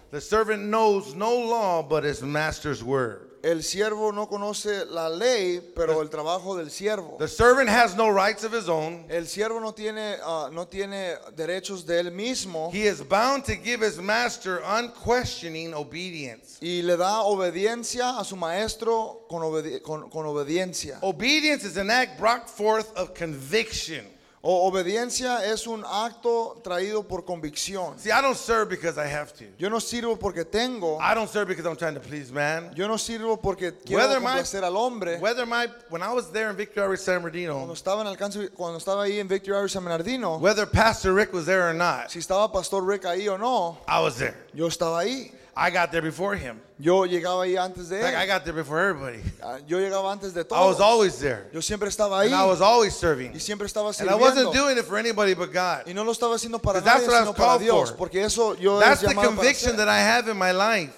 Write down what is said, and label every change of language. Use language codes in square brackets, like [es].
[en] the servant knows no law but his master's word. [es] El siervo no conoce la ley, pero el trabajo del siervo. [en] The servant has no rights of his own. [es] El siervo no tiene derechos de él mismo. [en] He is bound to give his master unquestioning obedience. [es] Y le da obediencia a su maestro con obediencia. [en] Obedience is an act brought forth of conviction. [es] O obediencia es un acto traído por convicción. [en] See, I don't serve because I have to. [es] Yo no sirvo porque tengo. [en] I don't serve because I'm trying to please man. [es] Yo no sirvo porque quiero complacer al hombre. [en] When I was there in Victory Outreach San Bernardino, whether Pastor Rick was there or not, [es] si estaba Pastor Rick ahí o no, [en] I was there. [es] Yo estaba ahí. [en] I got there before him. [es] Yo llegaba ahí antes de él. [en] Like I got there before everybody. [es] Yo llegaba antes de todos. [en] I was always there. [es] Yo siempre estaba ahí. [en] And I was always serving. [es] Y siempre estaba sirviendo. [en] And I wasn't doing it for anybody but God. [es] Y no lo estaba haciendo para nadie, sino para Dios. Porque eso yo he llamado. [en] That's the conviction that I have in my life.